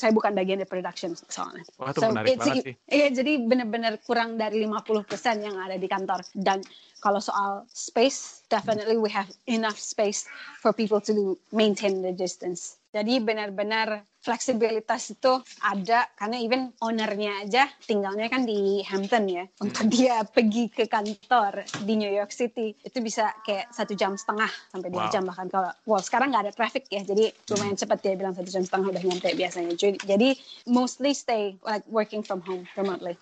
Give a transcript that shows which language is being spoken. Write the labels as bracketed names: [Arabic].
[Indonesian] Saya bukan bagian dari production soalnya. Jadi benar-benar kurang dari 50% yang ada di kantor. Dan kalau soal [English] space, definitely we have enough space for people to maintain the distance. [Indonesian] Jadi benar-benar fleksibilitas itu ada, karena even ownernya aja tinggalnya kan di Hampton ya. Untuk dia pergi ke kantor di New York City itu bisa kayak 1.5 jam sampai 2 jam bahkan. Sekarang nggak ada traffic ya, jadi lumayan cepat dia bilang 1.5 jam udah nyampe biasanya. [English] Jadi mostly stay like working from home remotely.